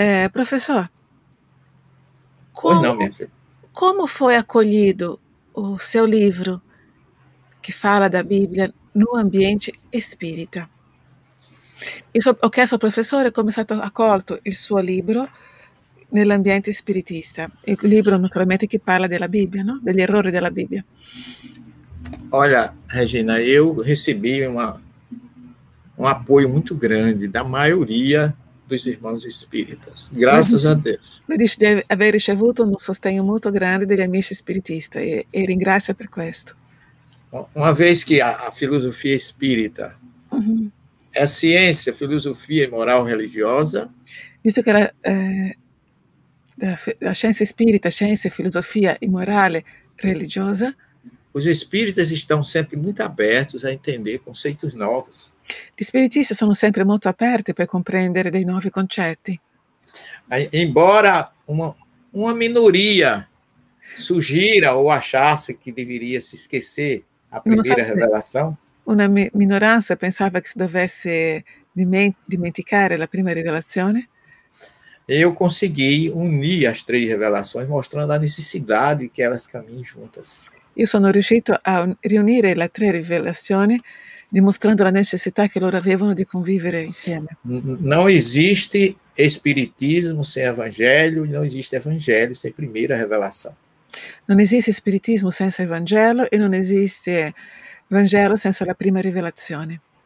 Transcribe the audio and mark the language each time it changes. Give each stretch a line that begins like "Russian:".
Italian: Professore, come fu accolto il suo libro che parla da Bibbia in un ambiente spirita? Ho chiesto al professore come è stato accolto il suo libro nell'ambiente spiritista, il libro naturalmente che parla della Bibbia, no? Degli errori della Bibbia.
Portuguese: Olha, Regina, eu recebi um apoio muito grande da maioria dos irmãos espíritas, graças a Deus.
Italian: Lui dice di aver ricevuto un sostegno molto grande degli amici spiritisti e ringrazia per questo.
Portuguese: Uma vez que a filosofia espírita é ciência, filosofia e moral religiosa,
Italian: visto que la scienza spirita, scienza, filosofia e morale religiosa.
Portuguese: Os espíritas estão sempre muito abertos a entender conceitos novos.
Italian: Gli spiritisti sono sempre molto aperti per comprendere dei nuovi concetti.
Portuguese: Embora uma minoria sugira ou achasse que deveria se esquecer a primeira revelação.
Italian: Una minoranza pensava che si dovesse dimenticare la prima rivelazione.
Portuguese: eu consegui unir as três revelações, mostrando a necessidade que elas caminhem juntas.
Italian: Eu sono riuscito a riunire le tre rivelazioni, dimostrando la necessità che loro avevano di convivere insieme.
Portuguese: Não existe espiritismo sem evangelho, não existe evangelho sem primeira revelação.
Italian: Non esiste spiritismo senza evangelo e non esiste evangelo senza la prima rivelazione.